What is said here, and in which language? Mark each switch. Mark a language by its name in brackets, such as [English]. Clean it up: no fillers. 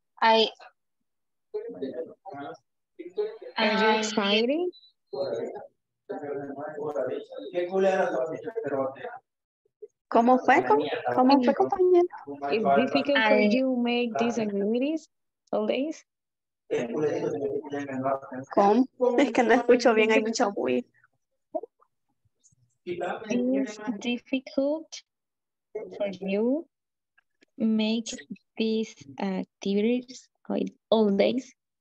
[English] Are you excited? [Spanish] ¿Cómo fue? ¿Cómo fue, compañero? [English] Is it difficult for you to make these activities all days? [Spanish] ¿Cómo? Es que no escucho bien, hay mucho ruido. [English] Is difficult for you make these activities all days?